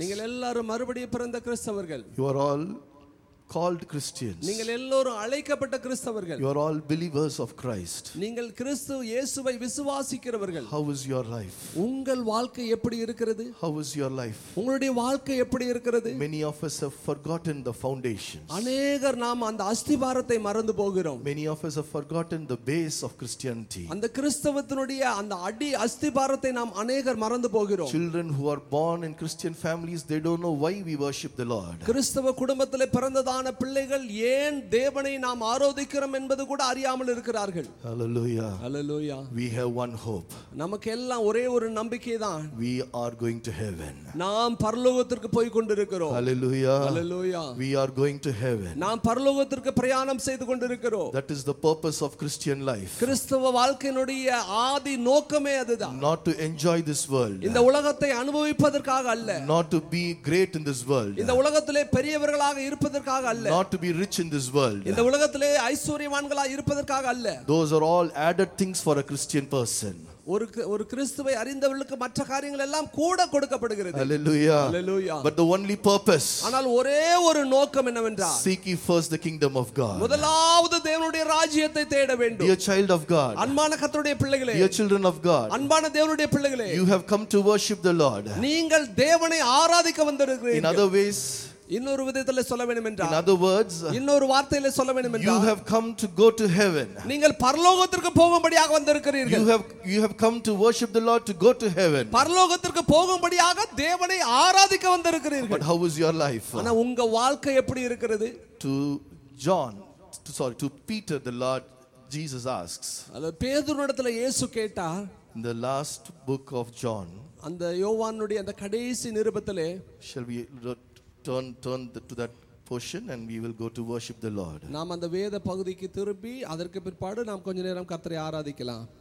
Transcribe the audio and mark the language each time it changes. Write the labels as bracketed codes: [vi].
[ta] நீங்கள் எல்லாரும் மறுபடியும் பிறந்த கிறிஸ்தவர்கள். [en] You are all called Christians. [ta] நீங்கள் எல்லாரும் அழைக்கப்பட்ட கிறிஸ்தவர்கள். [en] You are all believers of Christ. [ta] நீங்கள் கிறிஸ்து இயேசுவை விசுவாசிக்கிறவர்கள். [en] How is your life? [ta] உங்கள் வாழ்க்கை எப்படி இருக்கிறது? [en] How is your life? [ta] உங்களுடைய வாழ்க்கை எப்படி இருக்கிறது? [en] Many of us have forgotten the foundations. [ta] அநேகர் நாம் அந்த அஸ்திவாரத்தை மறந்து போகிறோம். [en] Many of us have forgotten the base of Christianity. [ta] அந்த கிறிஸ்தவத்தினுடைய அந்த அடி அஸ்திவாரத்தை நாம் அநேகர் மறந்து போகிறோம். [en] Children who are born in Christian families, they don't know why we worship the Lord. [ta] கிறிஸ்தவ குடும்பத்திலே பிறந்த பிள்ளைகள் ஏன் தேவனை நாம் ஆராதிக்கிறோம் என்பது கூட அறியாமல் இருக்கிறார்கள். [en] Hallelujah. Hallelujah. We have one hope. [ta] நமக்கு எல்லாம் ஒரே ஒரு நம்பிக்கைதான். [en] We are going to heaven. [ta] நாம் பரலோகத்திற்கு போய் கொண்டிருக்கிறோம். [en] Hallelujah. Hallelujah. We are going to heaven. [ta] நாம் பரலோகத்திற்கு பிரயாணம் செய்து கொண்டிருக்கிறோம். [en] That is the purpose of Christian life. [ta] கிறிஸ்தவ வாழ்க்கையினுடைய ஆதி நோக்கமே அதுதான். [en] Not to enjoy this world. [ta] இந்த உலகத்தை அனுபவிப்பதற்காக அல்ல. [en] Not to be great in this world. [ta] இந்த உலகத்திலே பெரியவர்களாக இருப்பது [en] Not to be rich in this world. [ta] இந்த உலகத்திலே ஐஸ்வர்யவான்களாக இருப்பதற்காக அல்ல. [en] Those are all added things for a Christian person. [ta] ஒரு கிறிஸ்துவை அறிந்தவர்களுக்கு மற்ற காரியங்கள் எல்லாம் கூட கொடுக்கப்படுகிறது. [en] Hallelujah. Hallelujah. But the only purpose. [ta] ஆனால் ஒரே ஒரு நோக்கம் என்னவென்றால் [en] Seek ye first the kingdom of God. [ta] முதலாவது தேவனுடைய ராஜ்யத்தை தேட வேண்டும். [en] Dear child of God. [ta] அன்பான கர்த்தருடைய பிள்ளைகளே. [en] Dear children of God. [ta] அன்பான தேவனுடைய பிள்ளைகளே. [en] You have come to worship the Lord. [ta] நீங்கள் தேவனை ஆராதிக்க வந்திருக்கிறீர்கள். [en] In other ways [ta] இன்னொரு விதத்தில் சொல்ல வேண்டும் என்றால் [en] In other words [ta] இன்னொரு வார்த்தையில் சொல்ல வேண்டும் என்றால் [en] You have come to go to heaven. [ta] நீங்கள் பரலோகத்திற்கு போகும்படியாக வந்திருக்கிறீர்கள். [en] You have come to worship the Lord to go to heaven. [ta] பரலோகத்திற்கு போகும்படியாக தேவனை ஆராதிக்க வந்திருக்கிறீர்கள். [en] But how is your life? [ta] ஆனா உங்க வாழ்க்கை எப்படி இருக்கிறது? [en] To Peter the Lord Jesus asks. [ta] அது பேதுருவிடத்தில் இயேசு கேட்டார். [en] In the last book of John. [ta] அந்த யோவானுடைய அந்த கடைசி நிருபத்திலே [en] shall we turn to that portion and we will go to worship the Lord. [ta] நாம் அந்த வேத பகுதிக்கு திரும்பி அதற்கு பிற்பாடு நாம் கொஞ்ச நேரம் கர்த்தரை ஆராதிக்கலாம்.